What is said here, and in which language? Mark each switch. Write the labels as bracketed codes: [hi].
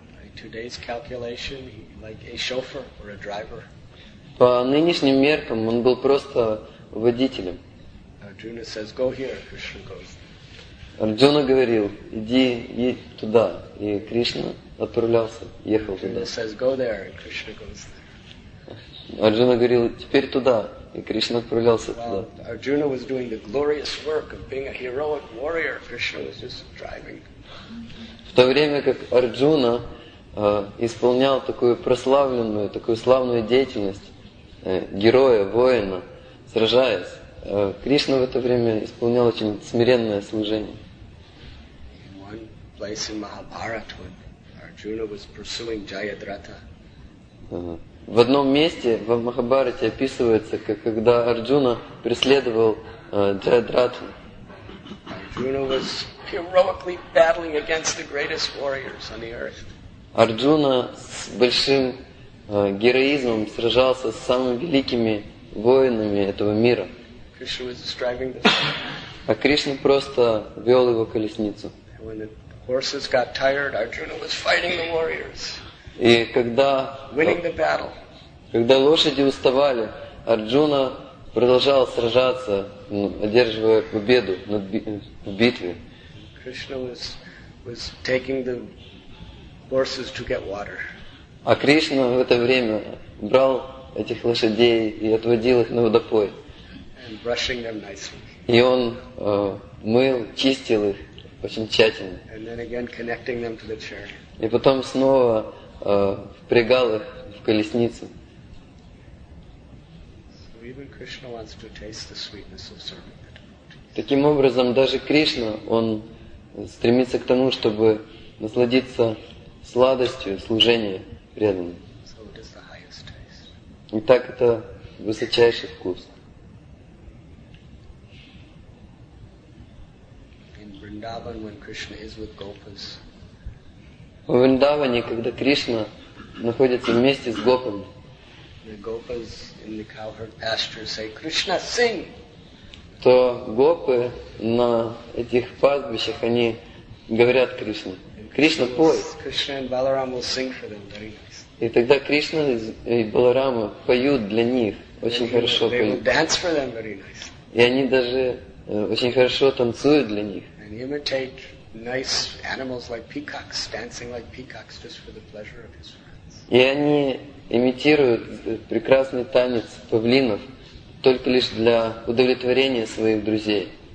[en] By today's calculation, like a chauffeur or a driver. [ru] По нынешним меркам он был просто водителем. [en] Arjuna says, "Go here." Krishna goes. [ru] Арджуна говорил: "Иди туда", и Кришна отправлялся, ехал [en] Arjuna [ru] туда. [en] Krishna says, "Go there," and Krishna goes there. [ru] Арджуна говорил, теперь туда, и Кришна отправлялся туда. [en] Arjuna was doing the glorious work of being a heroic warrior. Krishna was just driving. [ru] В то время как Арджуна исполнял такую прославленную, такую славную деятельность героя, воина, сражаясь, Кришна в это время исполнял очень смиренное служение. [en] In one place in Mahabharata, when Arjuna was pursuing Jayadratha. [ru] В одном месте в Махабхарате описывается, как когда Арджуна преследовал Джаядратху. [en] Bruno was heroically battling against the greatest warriors on the earth. [ru] Арджуна с большим героизмом сражался с самыми великими воинами этого мира. [en] Krishna was driving the [ru] А Кришна просто вел его колесницу. [en] When the horses got tired, Arjuna was fighting the warriors. [ru] И когда [en] winning the battle. [ru] Когда лошади уставали, Арджуна продолжал сражаться, одерживая победу в битве. [en] Krishna was taking the horses to get water. [ru] А Кришна в это время брал этих лошадей и отводил их на водопой. [en] And brushing them nicely. [ru] И он мыл, чистил их очень тщательно. [en] And then again connecting them to the chariot. [ru] И потом снова впрягал их в колесницу. [en] Even Krishna wants to taste the sweetness of serving the devotees. [ru] Таким образом, даже Кришна, он стремится к тому, чтобы насладиться сладостью служения преданным. [en] So it is the highest taste. [ru] Итак, это высочайший вкус. [en] In Vrindavan, when Krishna is with Gopas. [ru] В Вриндаване, когда Кришна находится вместе с Гопами. [en] The gopas in the cowherd pasture say, "Krishna, sing." [ru] То гопы на этих пастбищах они говорят Кришне, Кришна, пой. [en] Krishna and Balaram will sing for them very nicely. [ru] И тогда Кришна и Баларама поют для них очень хорошо. [en] They will dance for them very nicely. [ru] И они даже очень хорошо танцуют для них. [en] And imitate nice animals like peacocks dancing like peacocks just for the pleasure of his friends. [ru] И они имитируют прекрасный танец павлинов только лишь для удовлетворения своих друзей.